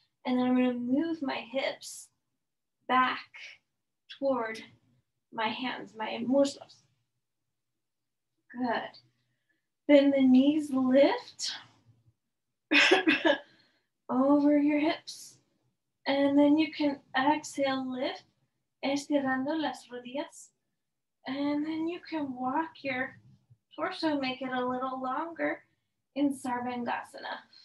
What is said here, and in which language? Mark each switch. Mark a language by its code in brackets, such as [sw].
[en] And then I'm gonna move my hips back toward my hands, my muslos. Good. Then the knees lift over your hips. And then you can exhale, lift. [es] Estirando las rodillas. [en] And then you can walk your torso, make it a little longer in Sarvangasana.